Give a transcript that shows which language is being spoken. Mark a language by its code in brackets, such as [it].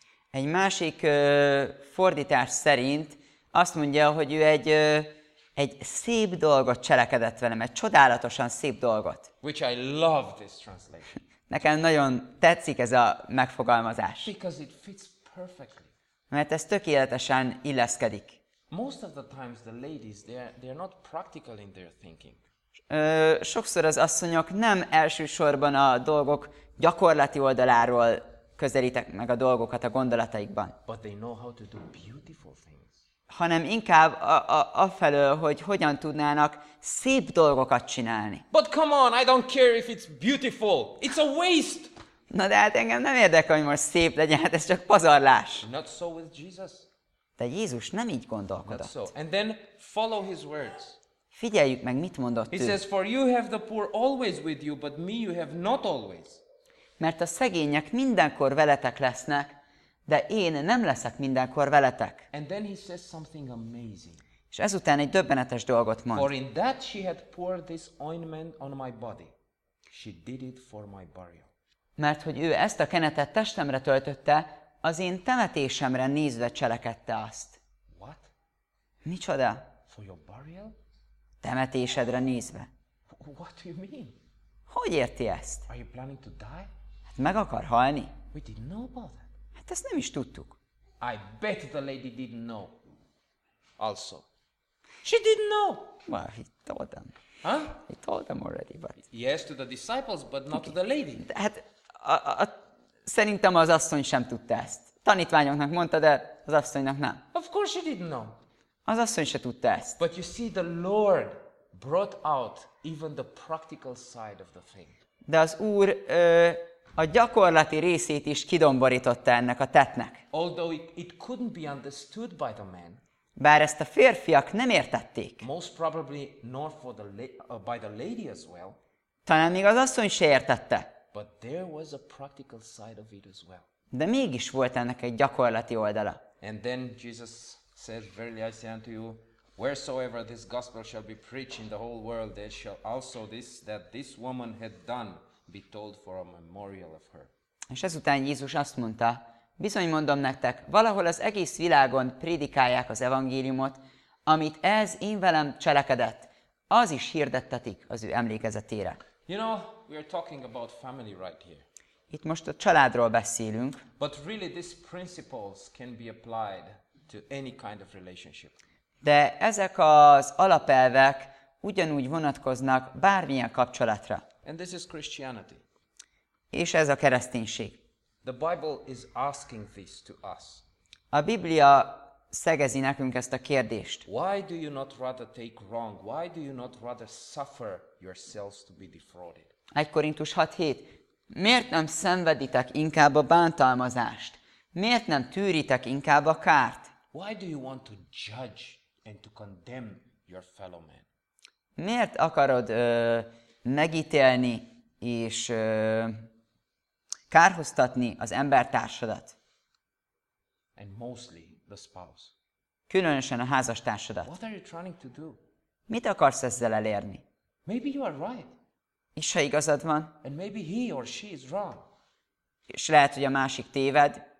[hu] Egy másik fordítás szerint azt mondja, hogy ő egy szép dolgot cselekedett velem, egy csodálatosan szép dolgot. [en] Which I love this translation. [hu] Nekem nagyon tetszik ez a megfogalmazás. [en] Because it fits perfectly. [hu] Mert ez tökéletesen illeszkedik. [en] Most of the times the ladies they're not practical in their thinking. [hu] Sokszor az asszonyok nem elsősorban a dolgok gyakorlati oldaláról közelítik meg a dolgokat a gondolataikban. [en] But they know how to do beautiful things. [hu] Hanem inkább afelől, hogy hogyan tudnának szép dolgokat csinálni. [en] But come on, I don't care if it's beautiful. It's a waste. [hu] Na de hát engem nem érdekel, hogy most szép legyen, hát ez csak pazarlás. [en] Not so with Jesus. [hu] De Jézus nem így gondolkodott. [en] Not so. And then follow his words. [hu] Figyeljük meg, mit mondott ő. [en] He says, for you have the poor always with you, but me you have not always. [hu] Mert a szegények mindenkor veletek lesznek, de én nem leszek mindenkor veletek. [en] And then he says something amazing. [hu] És ezután egy döbbenetes dolgot mond. [en] For in that she had poured this ointment on my body. She did it for my burial. [hu] Mert hogy ő ezt a kenetet testemre töltötte, az én temetésemre nézve cselekedte azt. [en] What? [hu] Micsoda? [en] For your burial? [hu] Temetésedre nézve. [en] What do you mean? [hu] Hogy érti ezt? [en] Are you planning to die? [hu] Hát meg akar halni? [en] We didn't know about that. [hu] Hát ezt nem is tudtuk. [en] I bet the lady didn't know. Also. She didn't know. Well, he told them. Huh? He told them already, but... Yes, to the disciples, but not okay. To the lady. [hu] Hát, szerintem az asszony sem tudta ezt. Tanítványoknak mondta, de az asszonynak nem. [en] Of course she didn't know. [hu] Az asszony se tudta ezt. [en] But you see, the Lord brought out even the practical side of the thing. [hu] De az Úr a gyakorlati részét is kidomborította ennek a tettnek. [en] Although it couldn't be understood by the man. [hu] Bár ezt a férfiak nem értették. [en] Most probably nor for the by the lady as well. [hu] Talán még az asszony se értette. [en] But there was a practical side of it as well. [hu] De mégis volt ennek egy gyakorlati oldala. [en] And then Jesus said, verily I say unto you, wheresoever this gospel shall be preached in the whole world, there shall also this that this woman had done be told for a memorial of her. [hu] És ezután Jézus azt mondta, bizony mondom nektek, valahol az egész világon prédikálják az evangéliumot, amit ez én velem cselekedett, az is hirdettetik az ő emlékezetére. [en] You know, we are talking about family right here. [hu] Itt most a családról beszélünk. [en] But really these principles can be applied to any kind of relationship. [hu] De ezek az alapelvek ugyanúgy vonatkoznak bármilyen kapcsolatra. [en] And this is Christianity. [hu] És ez a kereszténység. [en] The Bible is asking this to us. [hu] A Biblia szegezi nekünk ezt a kérdést. [en] Why do you not rather take wrong? Why do you not rather suffer yourselves to be defrauded? [hu] 1 Korintus 6:7. Miért nem szenveditek inkább a bántalmazást? Miért nem tűritek inkább a kárt? [en] Why do you want to judge and to condemn your fellow man? [hu] Miért akarod megítélni és kárhoztatni az embertársadat? [en] And mostly the spouse. [hu] Különösen a házastársadat. [en] What are you trying to do? [hu] Mit akarsz ezzel elérni? [en] Maybe you are right. [hu] És ha igazad van? [en] And maybe he or she is wrong. [hu] És lehet, hogy a másik téved.